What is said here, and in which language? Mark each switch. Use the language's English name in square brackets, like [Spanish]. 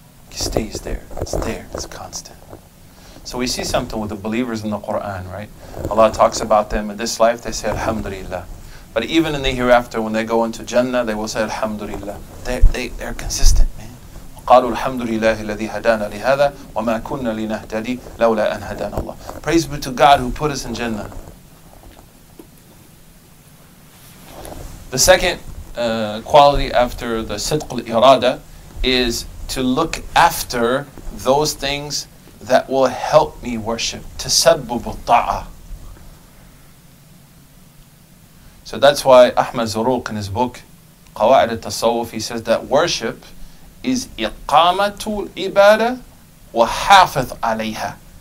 [English] It stays there, it's constant. So we see something with the believers in the Qur'an, right? Allah talks about them in this life, they say Alhamdulillah. But even in the hereafter, when they go into Jannah, they will say Alhamdulillah. They're consistent. [Arabic] قَالُوا الْحَمْدُ لِلَّهِ الَّذِي هَدَانَا لِهَذَا وَمَا كُنَّا لِنَهْتَدِي لَوْلَا أَنْ هَدَانَ اللَّهِ [English] Praise be to God who put us in Jannah. The second quality after the [Arabic] صدق الإرادة [English] is to look after those things that will help me worship. [Arabic] تَسَبُّبُ الطَّعَى [English] So that's why Ahmad Zarouk in his book قَوَاعِدُ التَّصَوُّفِ he says that worship is iqamatu ibadah wa hafidh alayha.